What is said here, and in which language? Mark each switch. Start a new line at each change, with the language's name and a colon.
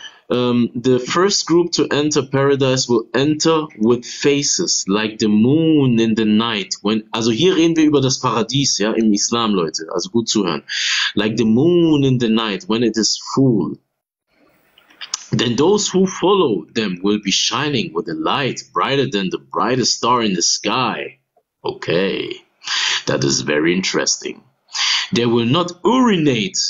English: The first group to enter paradise will enter with faces like the moon in the night.
German: Also hier reden wir über das Paradies, ja, im Islam, Leute. Also gut zuhören.
English: Like the moon in the night when it is full. Then those who follow them will be shining with a light brighter than the brightest star in the sky. Okay, that is very interesting. They will not urinate.